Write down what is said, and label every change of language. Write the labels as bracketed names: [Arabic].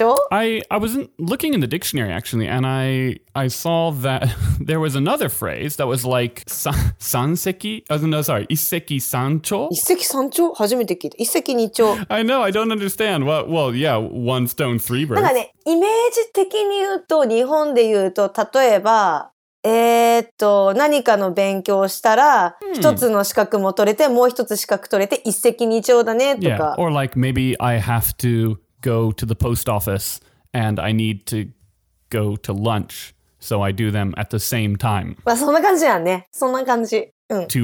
[English] I wasn't looking in the dictionary, actually, and I saw that there was another phrase that was like, [Japanese] 一石三鳥?初めて聞いた。一石二鳥。 [English] I know, I don't understand. Well, yeah, one stone, three birds. [Japanese] イメージ的に言うと、日本で言うと、例えば、 何かの勉強をしたら、一つの資格も取れて、もう一つ資格取れて、一石二鳥だね、とか。 [English] Yeah, or like maybe I have to go to the post office and I need to go to lunch, so I do them at the same time. [Japanese] まあそんな感じやね。そんな感じ。Two